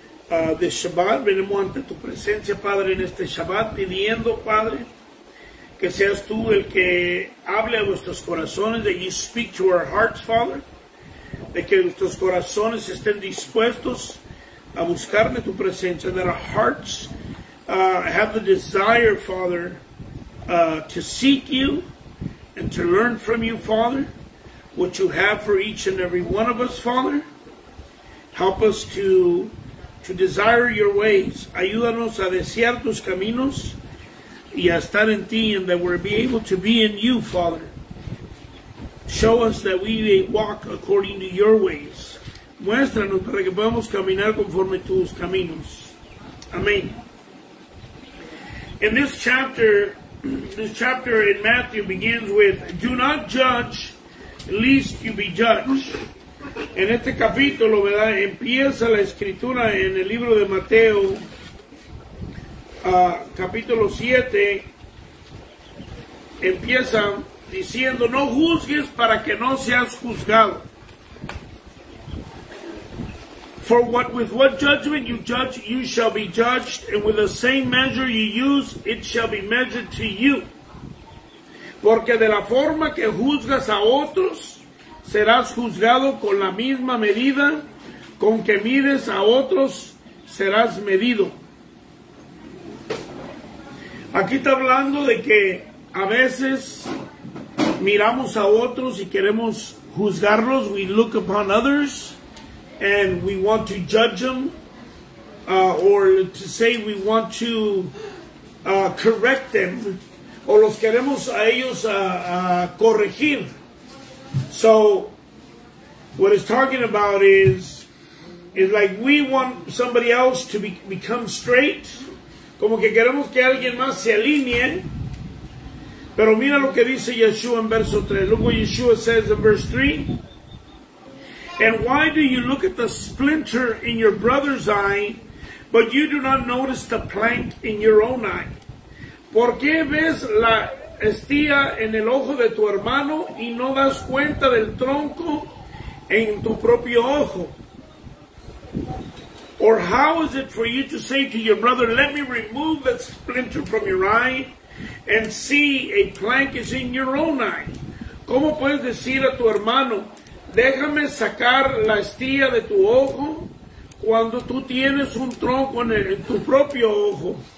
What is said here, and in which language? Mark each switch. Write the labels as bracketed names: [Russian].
[Spanish] De Shabbat, venimos ante tu presencia, Padre, en este Shabbat, pidiendo, Padre, que seas tú el que hable a nuestros corazones, [English] that you speak to our hearts, Father, [Spanish] de que nuestros corazones estén dispuestos a buscar de tu presencia, [English] that our hearts have the desire, Father, to seek you and to learn from you, Father, what you have for each and every one of us, Father. Help us to desire your ways. [Spanish] Ayúdanos a desear tus caminos y a estar en ti, [English] and that we'll be able to be in you, Father. Show us that we may walk according to your ways. [Spanish] Muéstranos para que podamos caminar conforme tus caminos. Amén. [English] In this chapter in Matthew begins with, do not judge, lest you be judged. [Spanish] En este capítulo, ¿verdad?, empieza la escritura en el libro de Mateo, capítulo 7, empieza diciendo, no juzgues para que no seas juzgado. [English] For what with what judgment you judge, you shall be judged, and with the same measure you use, it shall be measured to you. [Spanish] Porque de la forma que juzgas a otros, serás juzgado con la misma medida con que mides a otros, serás medido. Aquí está hablando de que a veces miramos a otros y queremos juzgarlos. [English] We look upon others and we want to judge them, or to say we want to correct them, [Spanish] o los queremos a ellos a corregir. [English] So what it's talking about is like we want somebody else to become straight. [Spanish] Como que queremos que alguien más se alinee. Pero mira lo que dice Yeshua en verso 3. [English] Look what Yeshua says in verse 3. And why do you look at the splinter in your brother's eye, but you do not notice the plank in your own eye? [Spanish] ¿Por qué ves la estía en el ojo de tu hermano y no das cuenta del tronco en tu propio ojo? [English] Or how is it for you to say to your brother, let me remove that splinter from your eye, and see a plank is in your own eye. [Spanish] ¿Cómo puedes decir a tu hermano, déjame sacar la estía de tu ojo, cuando tú tienes un tronco en tu propio ojo?